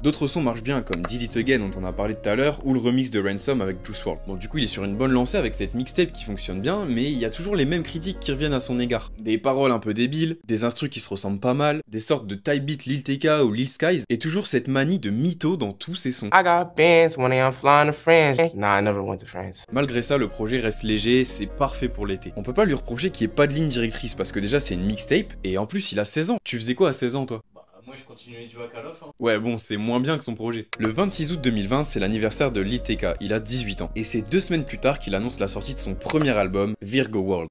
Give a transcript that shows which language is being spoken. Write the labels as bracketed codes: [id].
[fr] D'autres sons marchent bien comme Did It Again dont on a parlé tout à l'heure ou le remix de Ransom avec Juice WRLD. Bon du coup il est sur une bonne lancée avec cette mixtape qui fonctionne bien mais il y a toujours les mêmes critiques qui reviennent à son égard. Des paroles un peu débiles, des instrus qui se ressemblent pas mal, des sortes de type beat Lil TK ou Lil Skies et toujours cette manie de mytho dans tous ses sons. [en] I got bands when I'm flying to France. Nah, I never went to France. [fr] Malgré ça, le projet reste léger, c'est parfait pour l'été. On peut pas lui reprocher qu'il n'y ait pas de ligne directrice parce que déjà c'est une mixtape et en plus il a 16 ans. Tu faisais quoi à 16 ans toi? Moi, je continue de jouer à Call of, hein. Ouais, bon, c'est moins bien que son projet. Le 26 août 2020, c'est l'anniversaire de Lil TK. Il a 18 ans. Et c'est 2 semaines plus tard qu'il annonce la sortie de son premier album, Virgo World.